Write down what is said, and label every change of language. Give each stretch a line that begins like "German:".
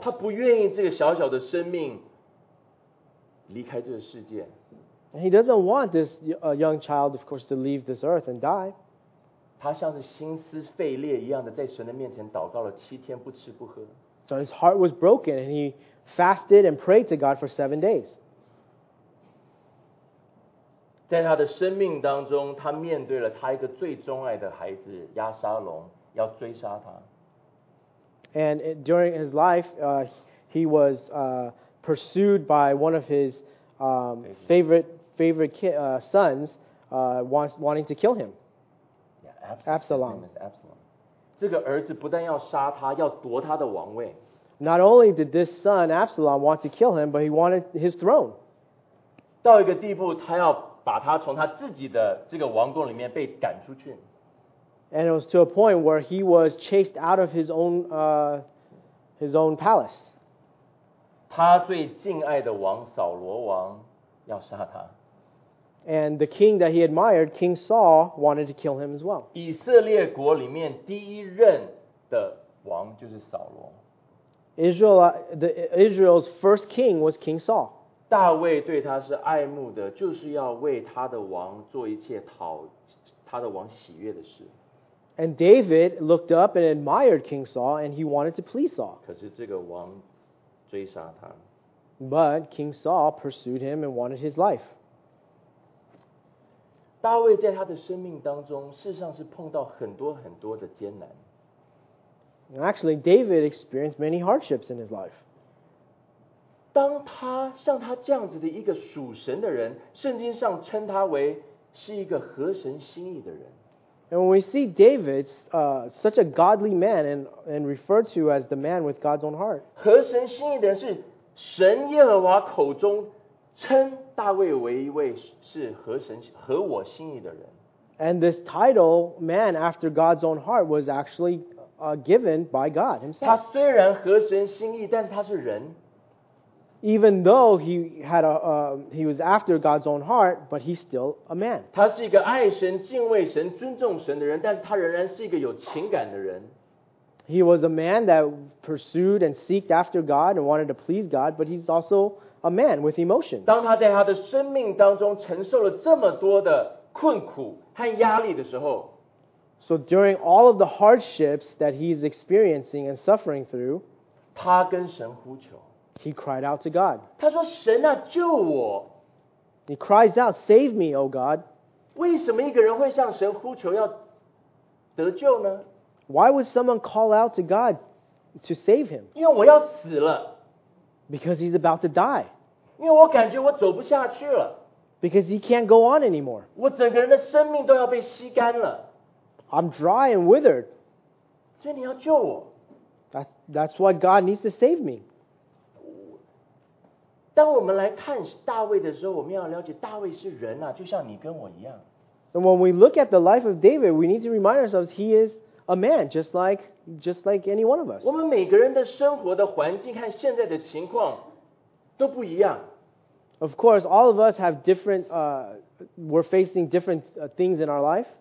Chinese: 他不愿意这个小小的生命离开这个世界。
English: He doesn't want this young child, of course, to leave this earth and die.
Chinese: 他像是心撕肺裂一样的在神的面前祷告了七天不吃不喝。
English: So his heart was broken and he fasted and prayed to God for 7 days.
Chinese: 在他的生命当中，他面对了他一个最钟爱的孩子亚沙龙要追杀他。
English: And during his life, he was pursued by one of his favorite sons wanting to kill him. Yeah, Absalom.
Chinese: 这个儿子不但要杀他，要夺他的王位。
English: Not only did this son Absalom want to kill him, but he wanted his throne.
Chinese: 到一个地步，他要把他从他自己的这个王宫里面被赶出去。
English: And it was to a point where he was chased out of his own palace.
Chinese: 他最敬爱的王扫罗王要杀他。
English: And the king that he admired, King Saul, wanted to kill him as well.
Chinese: 以色列国里面第一任的王就是扫罗。
English: Israel's first king was King Saul.
Chinese: 大卫对他是爱慕的，就是要为他的王做一切讨他的王喜悦的事。
English: And David looked up and admired King Saul, and he wanted to please Saul.
Chinese: 可是这个王追杀他。
English: But King Saul pursued him and wanted his life.
Chinese: 大卫在他的生命当中事实上是碰到很多很多的艰难。
English: Actually, David experienced many hardships in his life.
Chinese: 当他像他这样子的一个属神的人，圣经上称他为是一个合神心意的人。
English: And when we see David, such a godly man and referred to as the man with God's own heart.
Chinese: 合神心意的人是神耶和华口中称大卫为一位是合神合我心意的人。
English: And this title, man after God's own heart, was actually given by God himself.
Chinese: 他虽然合神心意，但是他是人。
English: Even though he had he was after God's own heart, but he's still a man.
Chinese: 他是一个爱神、敬畏神、尊重神的人，但是他仍然是一个有情感的人。
English: He was a man that pursued and seeked after God and wanted to please God, but he's also a man with emotion.
Chinese: 当他在他的生命当中承受了这么多的困苦和压力的时候
English: ，So during all of the hardships that he's experiencing and suffering through,
Chinese: 他跟神呼求。
English: He cried out to God.
Chinese: 他说神啊救我。
English: He cries out, save me, O God.
Chinese: 为什么一个人会向神呼求要得救呢？
English: Why would someone call out to God to save him?
Chinese: 因为我要死了。
English: Because he's about to die.
Chinese: 因为我感觉我走不下去了。
English: Because he can't go on anymore.
Chinese: 我整个人的生命都要被吸干了。
English: I'm dry and withered.
Chinese: 所以你要救我。
English: That's why God needs to save me.
Chinese: 当我们来看大卫的时候，我们要了解大卫是人啊，就像你跟我一样。
English: And when we look at the life of David, we need to remind ourselves he is a man, just like any one of us.
Chinese: 我们每个人的生活的环境和现在的情况都不一样。
English: Of course, all of us have different, we're facing different things in our life.